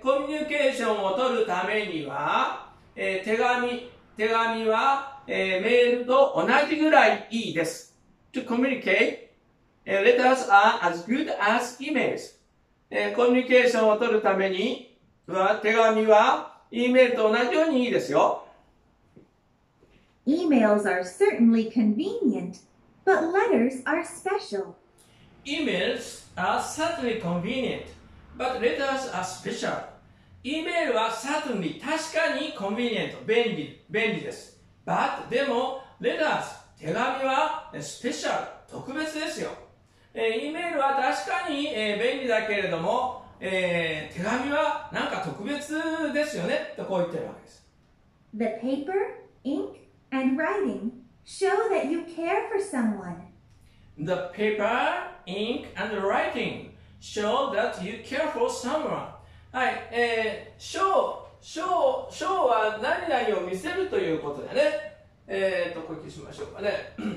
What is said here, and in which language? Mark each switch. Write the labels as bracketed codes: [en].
[ja] コミュニケーションを取るためには、手紙は、メールと同じぐらいいいです。 [en] to communicate, letters are as good as emails. [ja] コミュニケーションを取るために、手紙は、E メールと同じようにいいですよ。 [en] Emails are certainly convenient, but letters are special. Emails are certainly convenient, but letters are special. [ja] E メールは certainly 確かに convenient 便利です。 But でも letters 手紙は special 特別ですよ。 E メールは確かに便利だけれども、手紙はなんか特別ですよねとこう言ってるわけです。 [en] The paper, ink. And writing show that you care for someone. The paper, ink, and writing show that you care for someone. [ja] はい、show は何々を見せるということだね。こう聞きましょうかね。